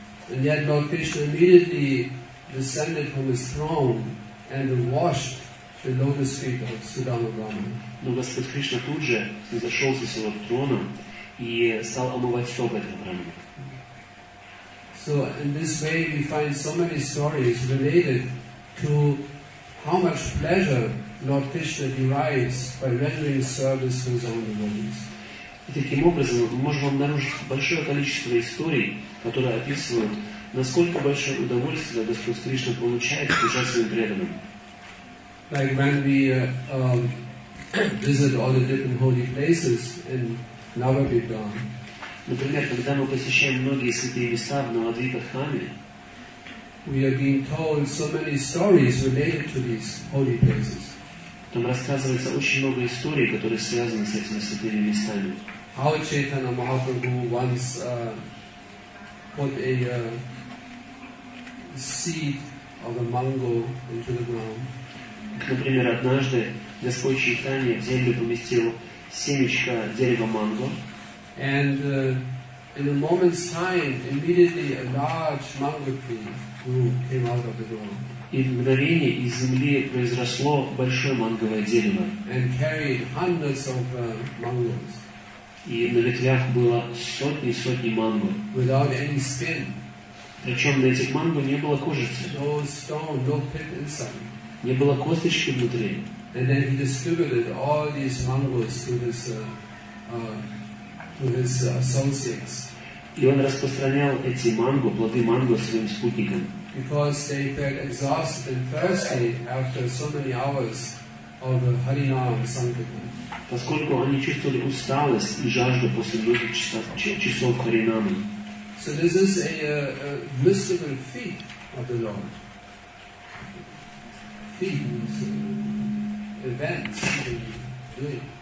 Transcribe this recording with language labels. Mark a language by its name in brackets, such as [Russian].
[English] And yet Lord Krishna immediately descended from his throne and washed the lotus feet of Sudama Brahmana. [Russian] Но Господь Кришна тут же зашел со своего трона и стал омывать стопы этого брахмана. [English] So in this way we find so many stories related to how much pleasure Lord Krishna derives by rendering service to his own devotees. [Russian] И таким образом мы можем обнаружить большое количество историй, которые описывают, насколько большое удовольствие Господь Кришна получает, служа своим преданным. [English] Like when we visit all the different holy places in Navadvipam. [Russian] Например, когда мы посещаем многие святые места в Навадвипа-храме, [English] we are being told so many stories related to these holy places. [Russian] Там рассказывается очень много историй, которые связаны с этими святыми местами. [English] How Chaitanya Mahaprabhu once put a seed of a mango into the ground. [Russian] Например, однажды Господь Чайтанья в землю поместил семечко дерева манго. [English] And in a moment's time, immediately a large mango tree grew, came out of the ground. [Russian] И в мгновение из земли произросло большое манговое дерево. [English] And carried hundreds of mangoes. [Russian] И на ветвях было сотни и сотни манго. [English] Without any skin. [Russian] Причем на этих манго не было кожицы. [English] No stone, no pit inside. [Russian] Не было косточки внутри. [English] And then he distributed all these mangoes to his associates. [Russian] И он распространял эти манго, плоды манго, своим спутникам. [English] Because they felt exhausted and thirsty after so many hours of Harinam Sankirtan. [Russian] Поскольку они чувствовали усталость и жажду после многих часов Харинамы. [English] So this is a mystical feat of the Lord.